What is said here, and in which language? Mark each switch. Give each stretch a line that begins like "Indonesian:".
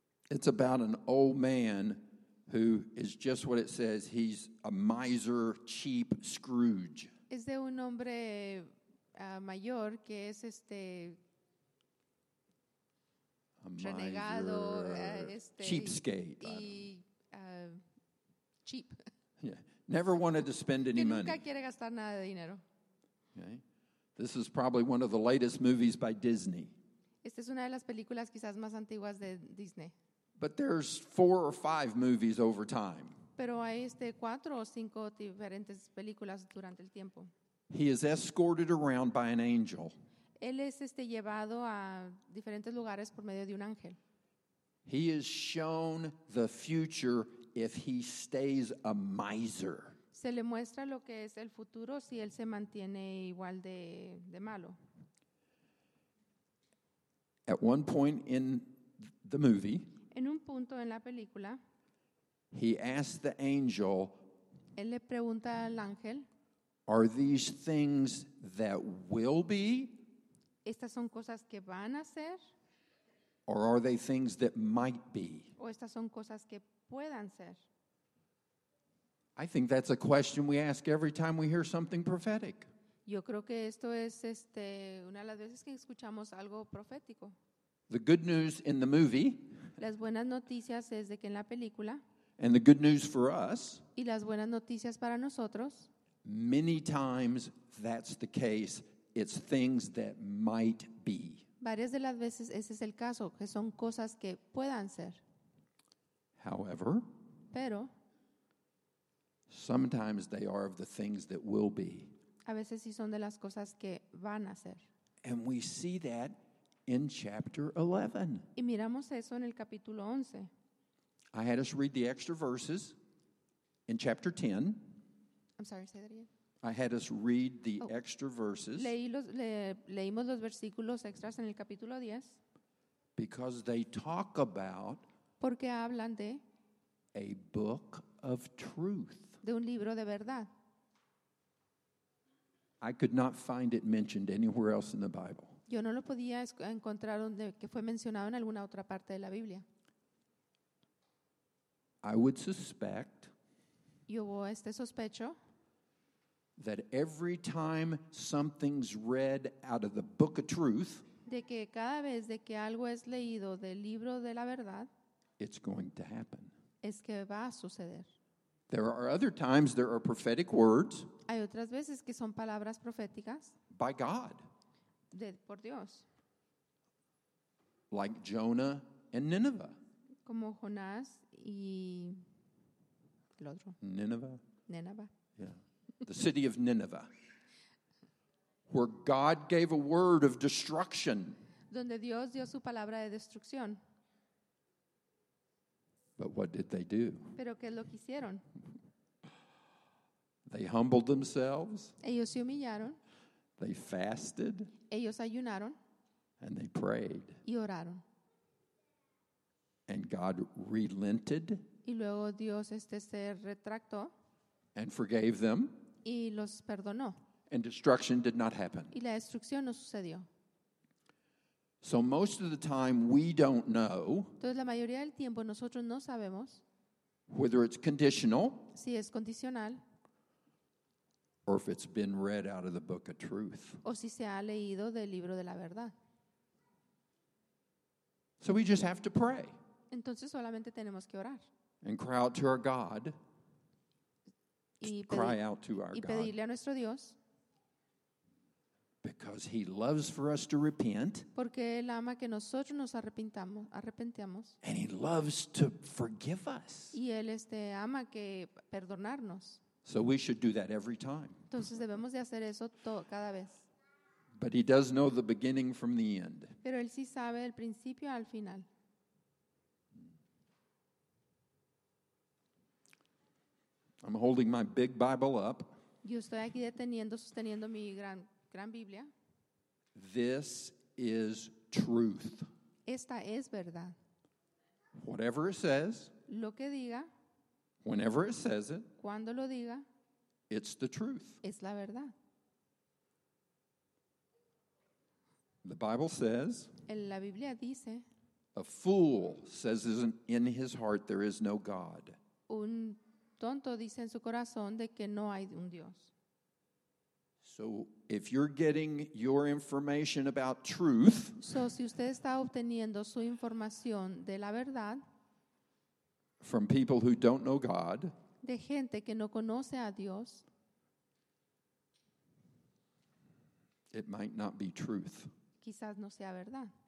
English: It's about an old man who is just what it says. He's a miser, cheap Scrooge.
Spanish: Es de un hombre mayor que es renegado,
English: cheapskate. Cheap. Yeah. Never wanted to spend any money.
Spanish: Nunca quiere gastar nada de dinero.
English: Okay. This is probably one of the latest movies by Disney.
Spanish: Esta es una de las películas quizás más antiguas de Disney.
English: But there's four or five movies over time.
Spanish: Pero hay cuatro o cinco diferentes películas durante el tiempo.
English: He is escorted around by an angel.
Spanish: Él es llevado a diferentes lugares por medio de un ángel.
English: He is shown the future if he stays a miser.
Spanish: Se le muestra lo que es el futuro si él se mantiene igual de malo.
English: At one point in the movie,
Spanish: en un punto en la película,
English: he asked the angel,
Spanish: él le pregunta al ángel,
English: are these things that will be?
Spanish: ¿Estas son cosas que van a ser?
English: Or are they things that might be?
Spanish: ¿O estas son cosas que puedan ser?
English: I think that's a question we ask every time we hear something prophetic.
Spanish: Yo creo que esto es una de las veces que escuchamos algo profético.
English: The good news in the movie.
Spanish: Las buenas noticias es de que en la película.
English: And the good news for us.
Spanish: Y las buenas noticias para nosotros.
English: Many times that's the case. It's things that might be.
Spanish: Varias de las veces ese es el caso, que son cosas que puedan ser.
English: However,
Spanish: pero,
English: sometimes they are of the things that will be.
Spanish: A veces sí son de las cosas que van a ser.
English: And we see that in chapter 11.
Spanish: Y miramos eso en el capítulo 11.
English: I had us read the extra verses in chapter 10. I'm sorry, say that again. I had us read the extra verses.
Spanish: Leímos los versículos extras en el capítulo 10.
English: Because they talk about.
Spanish: Porque hablan de.
English: A book of truth.
Spanish: De un libro de verdad.
English: I could not find it mentioned anywhere else in the Bible.
Spanish: Yo no lo podía encontrar donde que fue mencionado en alguna otra parte de la Biblia.
English: I would suspect.
Spanish: Yo sospecho.
English: That every time something's read out of the book of truth,
Spanish: de que cada vez de que algo es leído del libro de la verdad,
English: it's going to happen.
Spanish: Es que va a suceder.
English: There are other times there are prophetic words.
Spanish: Hay otras veces que son palabras proféticas.
English: By God.
Spanish: Por Dios.
English: Like Jonah and Nineveh.
Spanish: Como Jonás y el otro.
English: Nineveh. Nineveh. Yeah. the city of Nineveh, where God gave a word of destruction.
Spanish: Donde Dios dio su palabra de destrucción.
English: But what did they do?
Spanish: Pero ¿qué es lo que hicieron?
English: They humbled themselves.
Spanish: Ellos se humillaron.
English: They fasted.
Spanish: Ellos ayunaron.
English: And they prayed.
Spanish: Y oraron.
English: And God relented.
Spanish: Y luego Dios se retractó.
English: And forgave them.
Spanish: Y los perdonó.
English: And destruction did not happen.
Spanish: Y la destrucción no sucedió.
English: So most of the time we don't know.
Spanish: Entonces la mayoría del tiempo nosotros no sabemos.
English: Whether it's conditional.
Spanish: Si es condicional.
English: Or if it's been read out of the book of truth.
Spanish: O si se ha leído del libro de la verdad.
English: So we just have to pray.
Spanish: Entonces solamente tenemos que orar.
English: And cry out to our God.
Spanish: Y pedirle a nuestro Dios.
English: Because he loves for us to repent.
Spanish: Porque él ama que nosotros nos arrepintamos, arrepentamos.
English: And he loves to forgive us.
Spanish: Y él ama que perdonarnos.
English: So we should do that every time.
Spanish: Entonces debemos de hacer eso cada vez.
English: But he does know the beginning from the end.
Spanish: Pero él sí sabe el principio al final.
English: I'm holding my big Bible up.
Spanish: Yo estoy aquí deteniendo, sosteniendo mi gran Biblia.
English: This is truth.
Spanish: Esta es verdad.
English: Whatever it says.
Spanish: Lo que diga.
English: Whenever it says it.
Spanish: Cuando lo diga.
English: It's the truth.
Spanish: Es la verdad.
English: The Bible says.
Spanish: La Biblia dice.
English: A fool says in his heart there is no God.
Spanish: Un tonto dice en su corazón de que no hay un Dios.
English: So if you're getting your information about truth,
Spanish: so si usted está obteniendo su información de la verdad,
English: from people who don't know God,
Spanish: de gente que no conoce a Dios,
English: it might not be truth.
Spanish: Quizás no sea verdad.